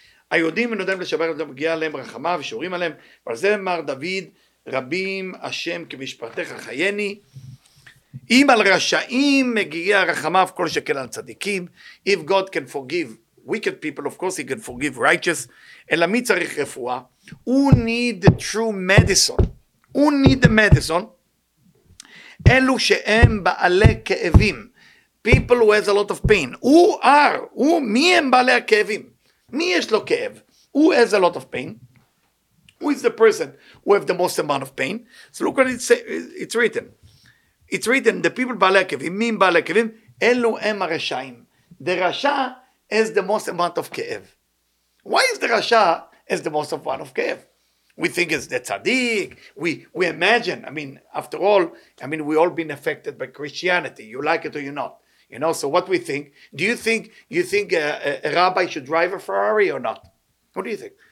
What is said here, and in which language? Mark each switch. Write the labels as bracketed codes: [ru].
[he] היהודים ונודעים לשבר את זה מגיע עליהם רחמה ושורים עליהם, ועל זה אמר דוד, רבים השם כמשפטיך חייני, אם על רשעים מגיע רחמה וכל שכן על צדיקים, [en] if God can forgive wicked people, of course he can forgive righteous, [he] אלא מי צריך רפואה? [en] Who need the true medicine? Who need the medicine? [he] אלו שהם בעלי כאבים, [en] people who has a lot of pain, who are, who, [he] מי הם בעלי הכאבים? מי יש לו כאב? [en] Who has a lot of pain? Who is the person who have the most amount of pain? So look what it's written. It's written, the people [he] בעלי הכאבים, מי הם בעלי הכאבים? אלו הם הרשעים. [en] The רשע has the most amount of כאב. Why is the רשע has the most amount of כאב? We think it's the tzaddik. We imagine, I mean, after all, I mean, we've all been affected by Christianity. You like it or you not. You know, so what we think, do you think a rabbi should drive a Ferrari or not? What do you think?